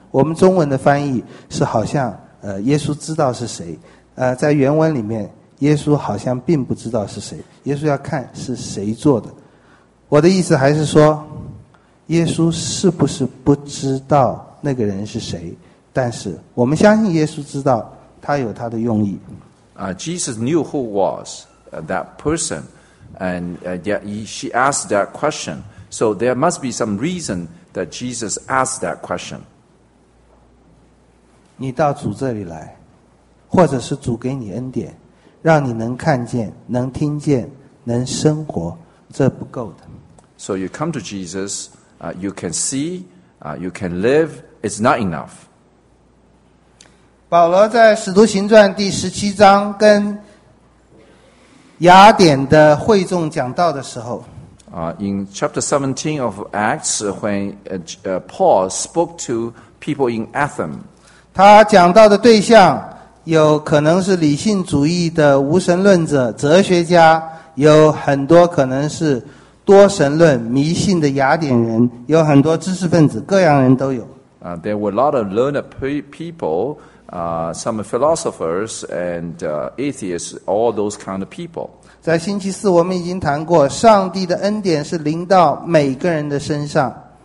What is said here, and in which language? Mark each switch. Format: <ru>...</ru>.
<zh>我们中文的翻译是好像耶稣知道是谁，在原文里面耶稣好像并不知道是谁，耶稣要看是谁做的。我的意思还是说，耶稣是不是不知道那个人是谁，但是我们相信耶稣知道，他有他的用意。</zh> <en>Jesus knew who was that person, and yet she asked that question. So there must be some reason that Jesus asked that question.</en> <zh>你到主这里来，或者是主给你恩典，让你能看见、能听见、能生活，这不够的。</zh> <en>So you come to Jesus, you can see, you can live. It's not enough.</en> <zh>保罗在《使徒行传》第十七章跟雅典的会众讲道的时候。</zh> <en>In chapter 17 of Acts, when Paul spoke to people in Athens,</en> <zh>他讲到的对象有可能是理性主义的无神论者、哲学家，有很多可能是多神论、迷信的雅典人，有很多知识分子，各样人都有。</zh> <en>There were a lot of learned people, some philosophers and atheists, all those kind of people.</en> <zh>在星期四我们已经谈过，上帝的恩典是临到每个人的身上。</zh>